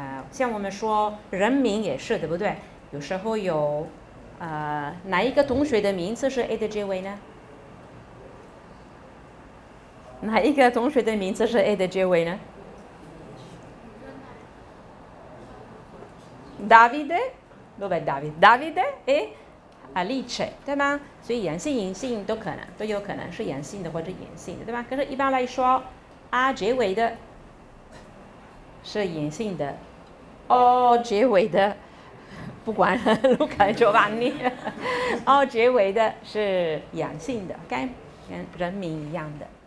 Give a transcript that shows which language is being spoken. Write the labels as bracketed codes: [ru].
[zh] 像我们说人名也是对不对有时候有、哪一个同学的名字是 a 的结尾呢哪一个同学的名字是 a 的结尾呢Davide? [it] Dov'è Davide? [zh] Davide e Alice, 对吗？所以阳性阴性都可能，都有可能是阳性的或者阴性的，对吧？可是一般来说 ，a 结尾的是阴性的 ，o 结尾的不管卢卡乔瓦尼 ，o 结尾的是阳性的，跟人名一样的。